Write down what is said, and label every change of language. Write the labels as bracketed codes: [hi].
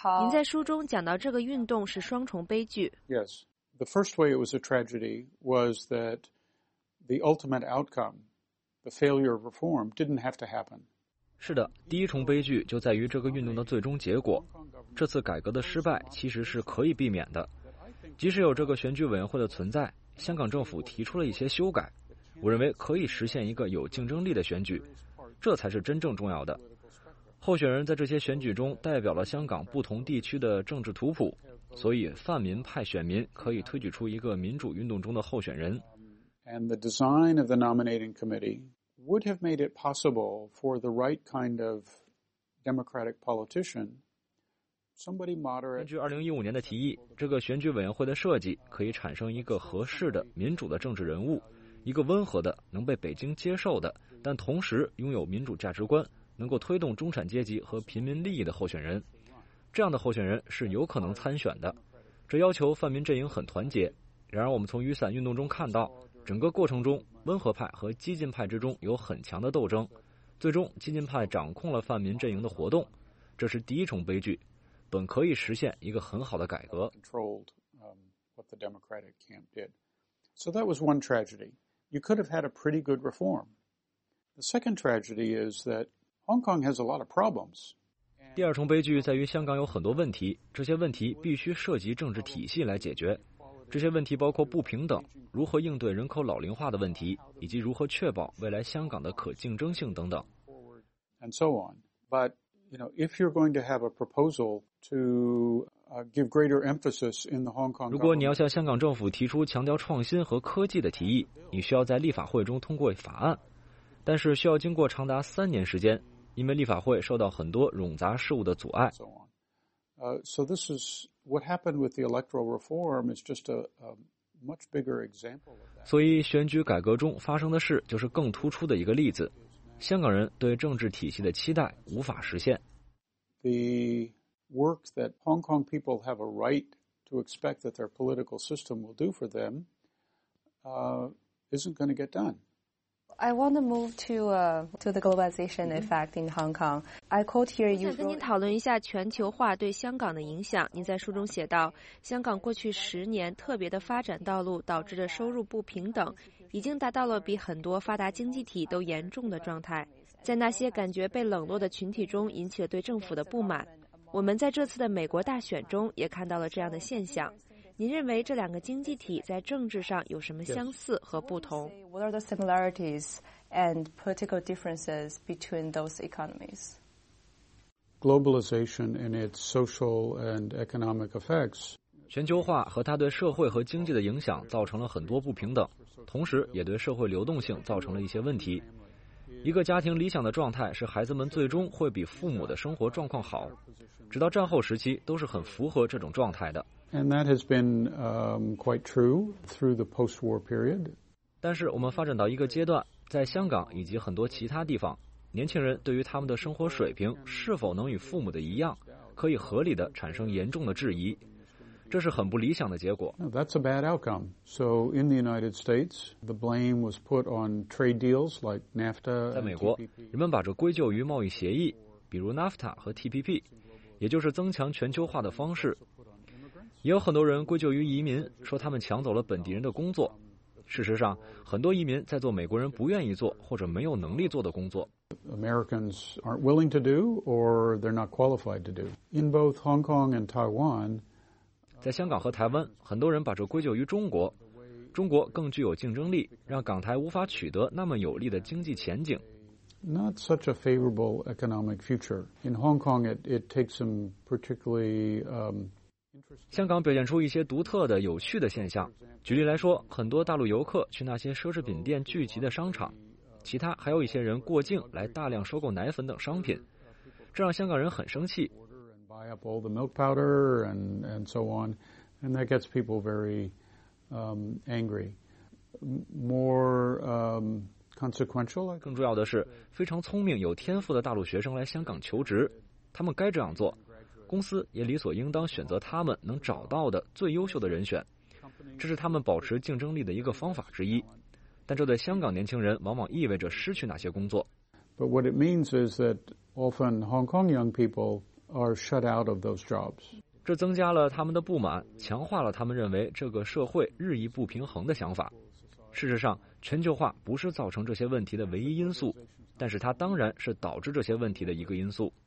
[zh] 在书中讲到这个运动是双重悲剧。 [en] Yes, the first way it was a tragedy was that the ultimate outcome, the failure of reform, didn't have to happen. [zh] 是的，第一重悲剧就在于这个运动的最终结果。这次改革的失败其实是可以避免的。即使有这个选举委员会的存在，香港政府提出了一些修改，我认为可以实现一个有竞争力的选举，这才是真正重要的。候选人在这些选举中代表了香港不同地区的政治图谱，所以泛民派选民可以推举出一个民主运动中的候选人。 [en] And the design of the nominating committee. Would have made it possible for the right kind of democratic politician, somebody moderate. [zh] 根据2015年的提议，这个选举委员会的设计可以产生一个合适的民主的政治人物，一个温和的能被北京接受的，但同时拥有民主价值观，能够推动中产阶级和平民利益的候选人。这样的候选人是有可能参选的。这要求泛民阵营很团结。然而我们从雨伞运动中看到，整个过程中温和派和激进派之中有很强的斗争，最终激进派掌控了泛民阵营的活动，这是第一重悲剧，本可以实现一个很好的改革。 [en] What the Democratic camp did. So that was one tragedy. You could have had a pretty good reform. The second tragedy is that Hong Kong has a lot of problems. [zh] 第二重悲剧在于香港有很多问题，这些问题必须涉及政治体系来解决。这些问题包括不平等，如何应对人口老龄化的问题，以及如何确保未来香港的可竞争性等等。 [en] And so on. But, you know, if you're going to have a proposal to... give greater emphasis in the Hong Kong. [zh] 如果你要向香港政府提出强调创新和科技的提议，你需要在立法会中通过法案，但是需要经过长达三年时间，因为立法会受到很多冗杂事务的阻碍。 [en] So this is what happened with the electoral reform is just a much bigger example of that. [zh] 所以选举改革中发生的事就是更突出的一个例子，香港人对政治体系的期待无法实现。 [en] The work that Hong Kong people have a right to expect that their political system will do for them, isn't going to get done. I want to move to the globalization effect in Hong Kong. I quote here. [zh] 我想跟您讨论一下全球化对香港的影响。您在书中写道，香港过去十年特别的发展道路导致的收入不平等，已经达到了比很多发达经济体都严重的状态。在那些感觉被冷落的群体中，引起了对政府的不满。我们在这次的美国大选中也看到了这样的现象。您认为这两个经济体在政治上有什么相似和不同？ [en] What are the similarities and political differences between those economies? Globalization and its social and economic effects. [zh] 全球化和它对社会和经济的影响造成了很多不平等，同时也对社会流动性造成了一些问题。一个家庭理想的状态是孩子们最终会比父母的生活状况好，直到战后时期都是很符合这种状态的。 [en] And that has been quite true through the post-war period. [zh] 但是我们发展到一个阶段，在香港以及很多其他地方，年轻人对于他们的生活水平是否能与父母的一样，可以合理地产生严重的质疑，这是很不理想的结果。 [en] No, that's a bad outcome. So in the United States, the blame was put on trade deals like NAFTA. [zh] 在美国，人们把这归咎于贸易协议，比如 NAFTA 和 TPP， 也就是增强全球化的方式。也有很多人归咎于移民，说他们抢走了本地人的工作。事实上，很多移民在做美国人不愿意做或者没有能力做的工作。 [en] Americans aren't willing to do, or they're not qualified to do. In both Hong Kong and Taiwan. [zh] 在香港和台湾，很多人把这归咎于中国，中国更具有竞争力，让港台无法取得那么有利的经济前景。 [en] Not such a favorable economic future. In Hong Kong, it takes some particularly, [zh] 香港表现出一些独特的、有趣的现象。举例来说，很多大陆游客去那些奢侈品店聚集的商场，其他还有一些人过境来大量收购奶粉等商品，这让香港人很生气。 [en] Buy up all the milk powder and so on, and that gets people very angry. More consequential. [zh] 更重要的是，非常聪明、有天赋的大陆学生来香港求职，他们该这样做。公司也理所应当选择他们能找到的最优秀的人选，这是他们保持竞争力的一个方法之一。但这对香港年轻人往往意味着失去哪些工作。 [en] But what it means is that often Hong Kong young people. Are shut out of those jobs. [zh] 这增加了他们的不满，强化了他们认为这个社会日益不平衡的想法。事实上，全球化不是造成这些问题的唯一因素，但是它当然是导致这些问题的一个因素。